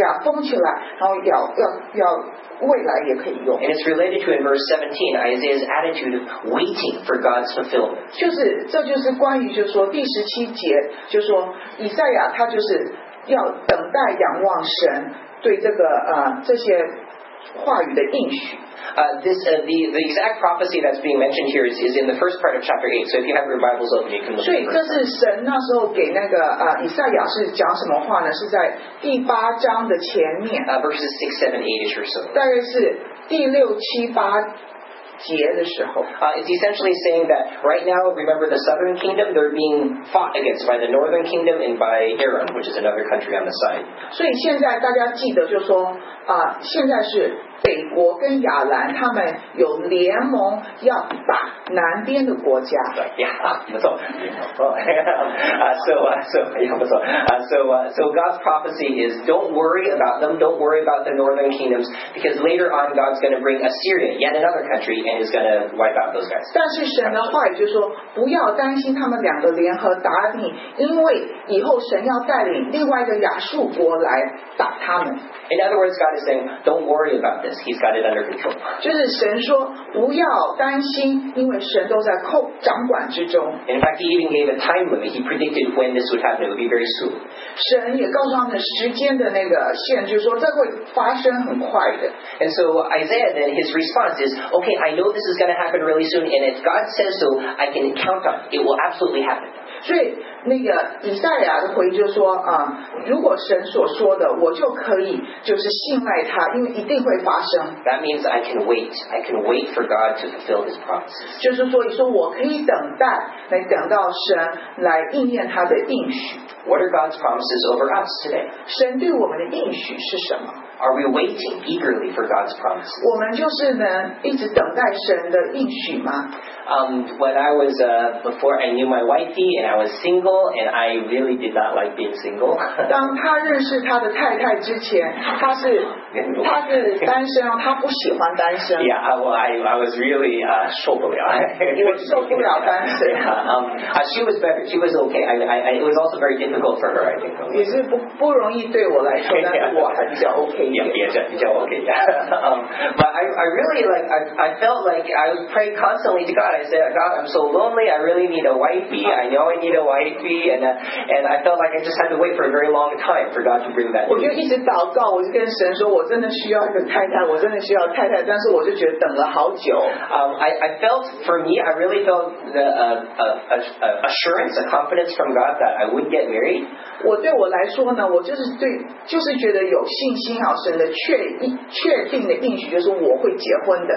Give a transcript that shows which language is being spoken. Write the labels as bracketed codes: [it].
[zh] 因为这个神的话语现在也是关于未来的，所以我们现在不仅现在要听，也要把它藏起来，然后就是给它封起来，然后要。未来也可以用。 [en] And it's related to in verse 17, Isaiah's attitude of waiting for God's fulfillment. [zh] 就是关于就是说第十七节，就是说以赛亚他就是要等待仰望神对这些话语的应许。 [en] The exact prophecy that's being mentioned here is in the first part of chapter 8. So if you have your Bibles open, you can look at it. [zh] 所以这是神那时候给那个以赛亚是讲什么话呢？是在第八章的前面。 [en] Verses 6, 7, 8 or so. [zh] 大概是第六七八。 [en] It's essentially saying that right now, remember the southern kingdom, they're being fought against by the northern kingdom and by Aram, which is another country on the side. [zh] 所以现在大家记得就是说，现在是北国跟亚兰他们有联盟要打南边的国家。对呀，不错， [en] So God's prophecy is, don't worry about them, don't worry about the northern kingdoms, because later on God's going to bring Assyria, yet another country, and is going to wipe out those guys. [zh] 但是神的话也就是说，不要担心他们两个联合打你，因为以后神要带领另外一个亚述国来打他们。 [en] In other words, God is saying, don't worry about this. He's got it under control. [zh] 就是神说不要担心，因为神都在掌管之中。 [en] In fact, he even gave a time limit. He predicted when this would happen. It would be very soon. [zh] 神也告诉他们时间的那个限制，说这会发生很快的。 [en] And so Isaiah then his response is, okay, I know this is going to happen really soon, and if God says so, I can count on it will absolutely happen. [zh] 所以那个以赛亚的回应就是说啊，如果神所说的，我就可以就是信赖他，因为一定会发生。 [en] That means I can wait. I can wait for God to fulfill His promises. [zh] 就是所以说我可以等待，来等到神来应验他的应许。 [en] What are God's promises over us today? [zh] 神对我们的应许是什么？ [en] Are we waiting eagerly for God's promise? [zh] 我们就是能一直等待神的应许吗？ [en] When I was before I knew my wifey and I was single and I really did not like being single. [zh] 当他认识他的太太之前，他是单身，他不喜欢单身。 [en] Yeah, well, I was really [zh] 受不了。因为受不了单身。 [en] She was better. She was okay. I it was also very difficult for her. I think. [zh] 也是不容易对我来说，但是我还比较 OK。 [en] I felt like I would pray constantly to God. I said, God, I'm so lonely. I really need a wifey. I know I need a wifey. And I felt like I just had to wait for a very long time for God to bring that. [zh] 我就一直祷告，我就跟神说，我真的需要一个太太，我真的需要太太。但是我就觉得等了好久。 [en] I felt for me, I really felt the assurance, a confidence from God that I wouldn't get married. [zh] 我对我来说呢，我就是对，就是觉得有信心。确定的应许就是我会结婚的。